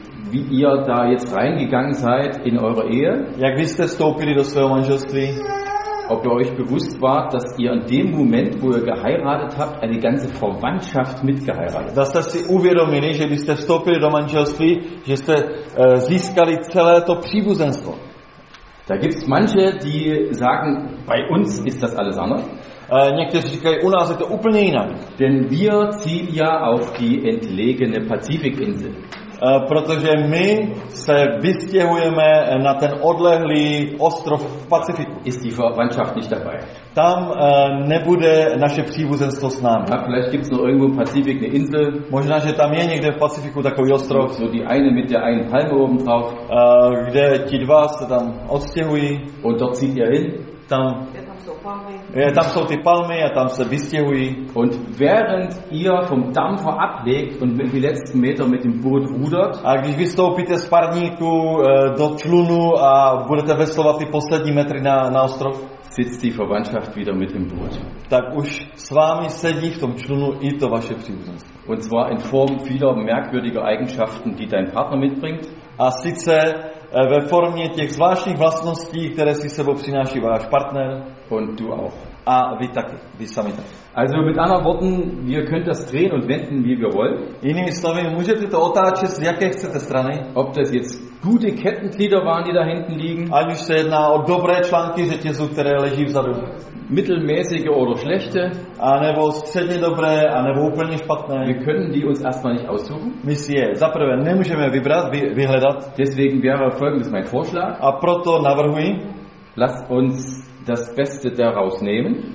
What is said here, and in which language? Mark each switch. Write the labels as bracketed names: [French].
[German] Wie ihr da jetzt reingegangen seid in eure Ehe? [Czech] Jak vy jste vstoupili do svého manželství? [German] Ob ihr euch bewusst war, dass ihr in dem Moment, wo ihr geheiratet habt, eine ganze Verwandtschaft mitgeheiratet? [Czech] Dass das si uvědomili, že byste vstoupili do manželství, že jste získali celé to příbuzenstvo. [German] Da gibt's manche, die sagen, bei uns ist das alles anders. [Czech] Někteří říkají, u nás je to úplně jinak. [German] Denn wir ziehen ja auf die entlegene Pazifikinsel. [Czech] Protože my se vystěhujeme na ten odlehlý ostrov v Pacifiku. [German] Ist die Verwandtschaft nicht dabei. [Czech] Tam nebude naše příbuzenstvo s námi. [German] Ja, vielleicht gibt's noch irgendwo im Pacific eine Insel. [Czech] Možná, že tam je někde v Pacifiku takový ostrov. [German] So die eine mit der einen Palme oben drauf. [Czech] Kde ti dva se tam odstěhují. [German] Und dort zieht ihr hin. [Czech] Tam. Palmy. Tam jsou ty palmy a tam se vystěhují. [German] Und während ihr vom Dampfer ablegt und mit den letzten Meter mit dem Boot rudert, [Czech] a když vystoupíte z parníku do člunu a budete veslovat ty poslední metry na ostrov, [German] sitzt die Verwandtschaft wieder mit im Boot. [Czech] Tak už s vámi sedí v tom člunu i to vaše příbuzenstvo. [German] Und zwar in Form vieler merkwürdiger Eigenschaften, die dein Partner mitbringt. [Czech] A sice ve formě těch zvláštních vlastností, které si sebou přináší váš partner. [German] Und du auch. [Czech] A vy taky, vy sami taky. [German] Also mit anderen Worten, wir können das drehen und wenden, wie wir wollen. [Czech] Jinými slovy, můžete to otáčet z jaké chcete strany. [German] Ob das jetzt gute Kettenglieder waren, die da hinten liegen. [Czech] Ať už se jedná o dobré články řetězu, které leží vzadu. [German] Mittelmäßige oder schlechte. [Czech] A nebo středně dobré, a nebo úplně špatné. [German] Wir können die uns erstmal nicht aussuchen. [Czech] My si je zaprvé nemůžeme vybrat, vyhledat. [German] Deswegen wäre folgendes mein Vorschlag. [Czech] A proto navrhuji. [German] Lasst uns das Beste daraus nehmen.